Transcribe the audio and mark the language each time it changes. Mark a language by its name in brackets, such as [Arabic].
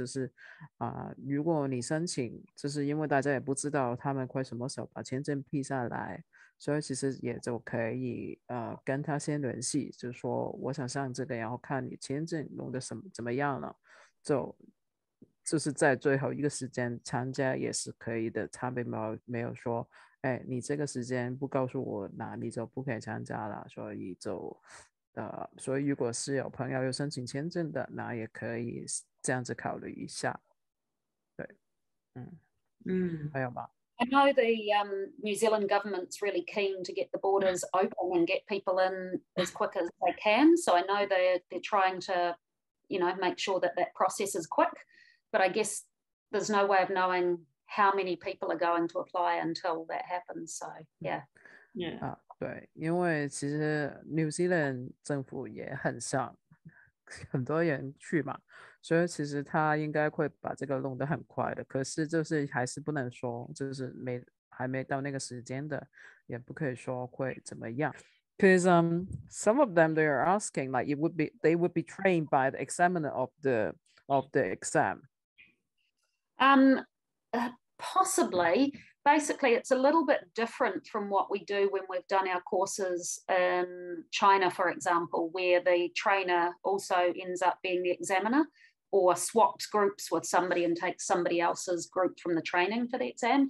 [Chinese] 就是如果你申请，就是因为大家也不知道他们会什么时候把签证批下来，所以其实也就可以跟他先联系，就说我想上这个，然后看你签证弄得什么怎么样了，就是在最后一个时间参加也是可以的。他并没有说，哎，你这个时间不告诉我，那你就不可以参加了，所以就。所以如果是有朋友有申请签证的，那也可以这样子考虑一下。对，还有吗？ [English] I know the New Zealand government's really keen to get the borders open and get people in as quick as they can. So I know they're trying to, you know, make sure that process is quick. But I guess there's no way of knowing how many people are going to apply until that happens. So yeah. Yeah. [Chinese] 对，因为其实 New Zealand 政府也很想很多人去嘛，所以其实他应该会把这个弄得很快的，可是就是还是不能说就是没还没到那个时间的，也不可以说会怎么样。 [English] Because some of them they are asking like they would be trained by the examiner of the exam. Possibly. Basically, it's a little bit different from what we do when we've done our courses in China, for example, where the trainer also ends up being the examiner or swaps groups with somebody and takes somebody else's group from the training for the exam.